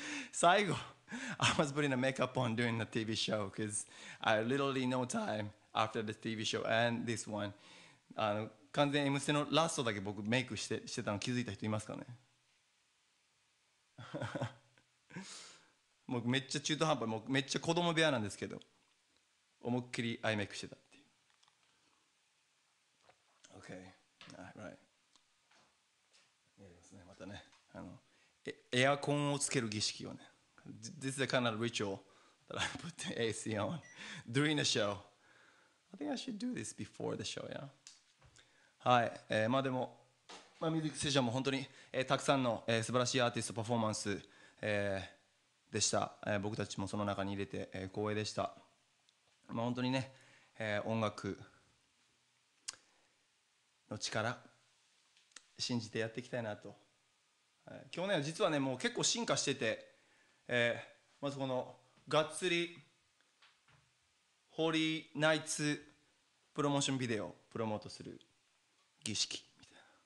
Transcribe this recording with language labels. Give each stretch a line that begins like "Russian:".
Japanese: 最後、
English: I was putting a makeup on during the TV show because I literally no time after the TV show and this one.
Japanese: 完全 M ステのラストだけ僕メイクしてたの気づいた人いますかね？もうめっちゃ中途半端、もうめっちゃ子供部屋なんですけど、思いっきりアイメイクしてたっていう。 Okay, right. やりますね、またね。エアコンをつける儀式をね。
English: This is a kind of ritual that I put the AC on during the show. I think I should do this before the show, yeah.
Japanese: はい、まあでも、まあ、ミュージックステージャーも本当に、たくさんの、素晴らしいアーティストパフォーマンス、でした。僕たちもその中に入れて、光栄でした。まあ、本当にね、音楽の力信じてやっていきたいなと、去年は実はねもう結構進化してて、まずこのがっつりホーリーナイツプロモーションビデオをプロモートする儀式みたいな。